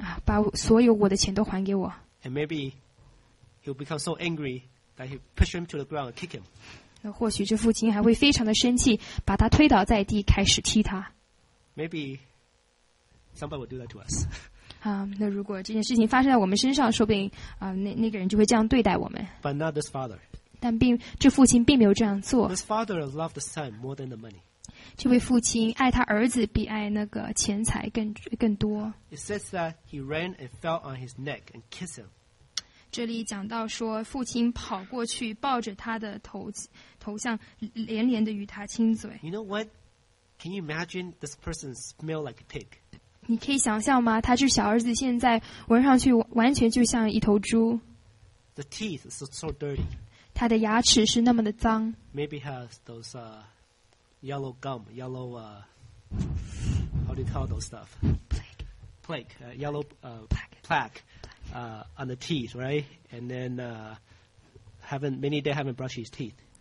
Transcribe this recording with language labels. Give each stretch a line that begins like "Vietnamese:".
Chinese: 把所有我的钱都还给我。
English: And maybe he'll become so angry that he'll push him to the ground and kick him.
Chinese: 或许这父亲还会非常的生气，把他推倒在地，开始踢他。
English: Maybe somebody will do that to us.
Chinese: 那如果这件事情发生在我们身上，说不定那个人就会这样对待我们。
English: But not this father.
Chinese: 但这父亲并没有这样做。
English: This father loved the son more than the money.
Chinese: 这位父亲爱他儿子比爱那个钱财更多。
English: It says that he ran and fell on his neck and kissed him.
Chinese: 这里讲到说，父亲跑过去抱着他的头像，连连的与他亲嘴。
English: You know what? Can you imagine this person smell like a pig?
Chinese: 你可以想象吗？他这小儿子现在闻上去完全就像一头猪。
English: The teeth is so dirty.
Chinese: 他的牙齿是那么的脏。
English: Maybe has those yellow gum, yellow how do you call those stuff? Plaque. Yellow plaque. On the teeth, right? And then haven't brushed his teeth.